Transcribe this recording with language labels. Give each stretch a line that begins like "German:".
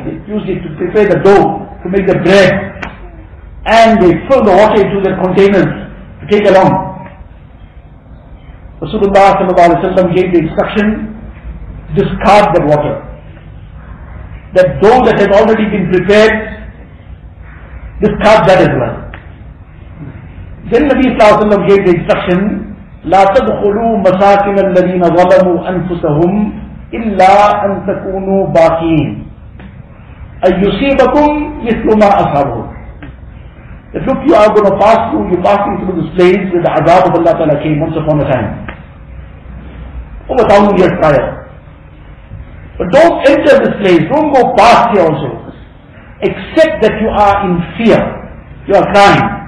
English: They used it to prepare the dough, to make the bread. And they filled the water into their containers to take along. Rasulullah sallallahu alayhi wa sallam gave the instruction, discard the water. That dough that had already been prepared, discard that as well. Then Nabi sallallahu alayhi wa sallam gave the instruction,
Arabic: لا تدخلوا مساكن الذين ظلموا أنفسهم إلا أن تكونوا باقين أن يصيبكم مثل ما أصابوا.
English: If look, you are going to pass through, you pass through this place where the azab of Allah ta'ala came once upon a time, over 1,000 years prior. But don't enter this place, don't go past here also, except that you are in fear, you are crying.